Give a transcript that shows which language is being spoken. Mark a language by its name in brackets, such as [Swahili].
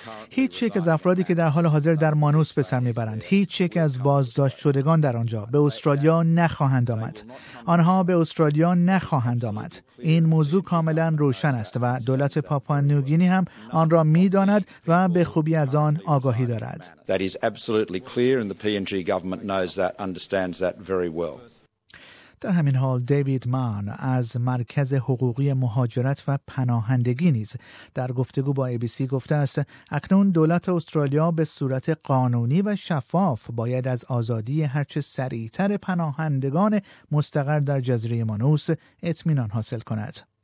[Persian] هیچ یک از افرادی که در حال حاضر در مانوس به سر میبرند، هیچ یک از بازداشت شدگان در آنجا به استرالیا نخواهند آمد. آنها به استرالیا نخواهند آمد. این موضوع کاملا روشن است و دولت پاپا نوگینی هم آن را میداند و به خوبی از آن آگاهی دارد. [English] That is absolutely clear and the PNG government knows that, understands that very well. [Persian] در همین حال دیوید مان از مرکز حقوقی مهاجرت و پناهندگی نیز در گفتگو با ABC گفته است اکنون دولت استرالیا به صورت قانونی و شفاف باید از آزادی هرچه سریع‌تر پناهندگان مستقر در جزیره مانوس اطمینان حاصل کند.